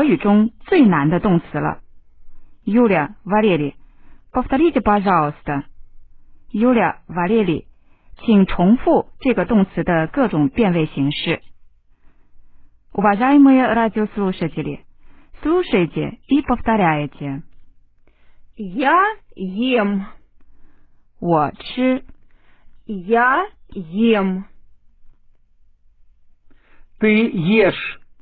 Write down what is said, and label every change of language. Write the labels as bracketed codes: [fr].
[zh] 我觉得这是俄语中最难的动词了. [ru] Юля, Валерий, повторите, пожалуйста. [zh] Юля, Валерий, 请重复这个动词的各种变位形式. [ru] Уважаемые радиослушатели, слушайте и повторяйте. Я ем. [zh] 我吃. [ru] Я ем. Ты ешь.